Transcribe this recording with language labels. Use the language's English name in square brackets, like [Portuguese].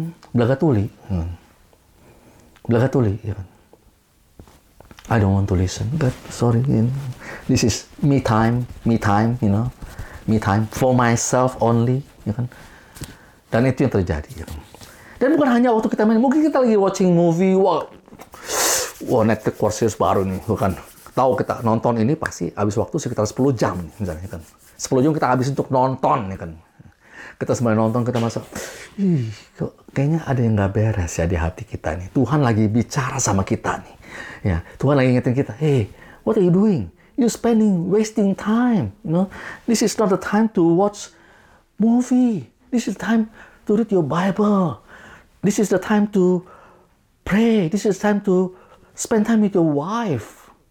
[Indonesian] Belagatuli. Belagatuli, ya kan? [English] I don't want to listen, but sorry, you know, this is me time, you know, me time for myself only, [Indonesian] ya kan? Dan itu yang terjadi, ya kan? Dan bukan hanya waktu kita main, mungkin kita lagi [English] watching movie, [Indonesian] wah Netflix series baru nih, ya kan? Tahu kita nonton ini pasti habis waktu sekitar 10 jam, misalnya, ya kan? 10 jam kita habis untuk nonton, ya kan? Kita sembari nonton, kita masuk, kok kayaknya ada yang nggak beres ya di hati kita nih. Tuhan lagi bicara sama kita nih. Ya, Tuhan lagi ingetin kita, [English] what are you doing? You spending, wasting time. You know, this is not the time to watch movie. This is time to to read your Bible. This is the time to pray. This is time to spend time with your wife.